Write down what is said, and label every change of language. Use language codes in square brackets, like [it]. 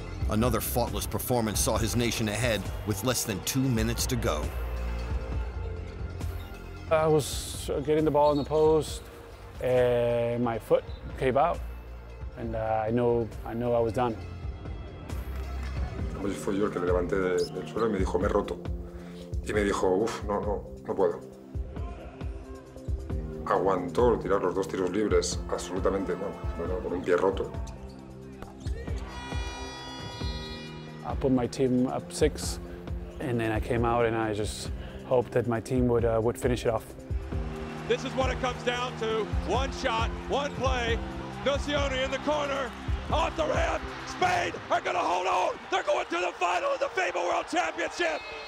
[en] Another faultless performance saw his nation ahead with less than 2 minutes to go. I was getting the ball in the post and my foot came out. And I know I was done. [es] Fue yo el que me levanté del suelo y me dijo, me he roto. Y me dijo, uff, no puedo. Aguantó tirar los dos tiros libres, absolutamente, bueno, con un pie roto. [en] I put my team up six, and then I came out and I just hoped that my team would finish it off. This is what it comes down to. One shot, one play. Nocioni in the corner. Off the rim, Spain are going to hold on. They're going to the final of the FIBA World Championship.